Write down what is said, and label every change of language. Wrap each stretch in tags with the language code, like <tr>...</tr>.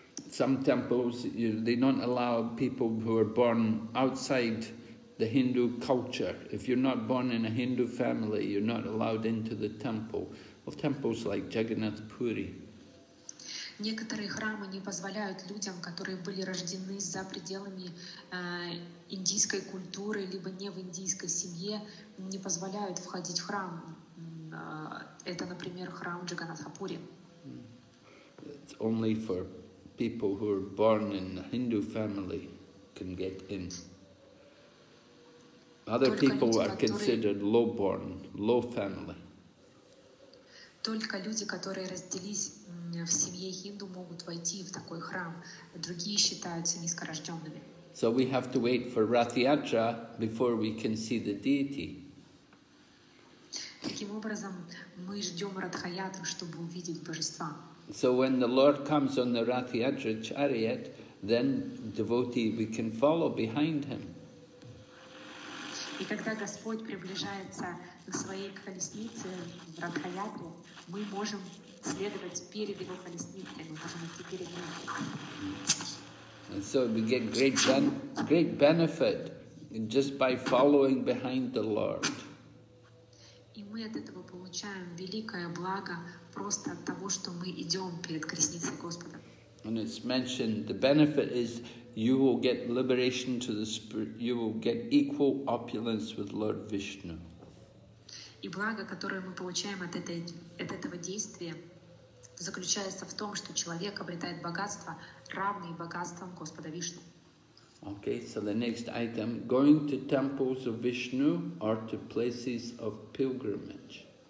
<en>Some temples, they don't allow people who are born outside the Hindu culture. If you're not born in a Hindu family, you're not allowed into the temple. Of temples like Jagannath Puri.</en> <ru>Некоторые храмы не позволяют людям, которые были рождены за пределами индийской культуры, либо не в индийской семье, не позволяют входить в храм. Это, например, храм Джаганнатха Пури.</ru> <en>It's only for people who are born in a Hindu family can get in. Other people are considered low-born, low-family.</en> <ru>Только люди, которые разделились в семье хинду, могут войти в такой храм. Другие считаются низкорожденными.</ru> <en>So we have to wait for Rathyatra before we can see the deity.</en> <ru>Таким образом, мы ждем Радхаятру, чтобы увидеть божества.</ru> <en>So when the Lord comes on the Rathyatra chariot, then devotee, we can follow behind him.</en> <ru>И когда Господь приближается на своей колеснице в Радхаятру, мы можем следовать перед его колесницей, мы можем идти перед ним.</ru> <en>And so we get great benefit just by following behind the Lord.</en> <ru>И мы от этого получаем великое благо просто от того, что мы идем перед колесницей Господа.</ru> <en>And it's mentioned the benefit is you will get liberation to the spirit, you will get equal opulence with Lord Vishnu.</en> <ru>И благо, которое мы получаем от этого действия, заключается в том, что человек обретает богатство, равное богатствам Господа Вишну.</ru> <en>Okay, so the next item, going to temples of Vishnu or to places of pilgrimage.</en>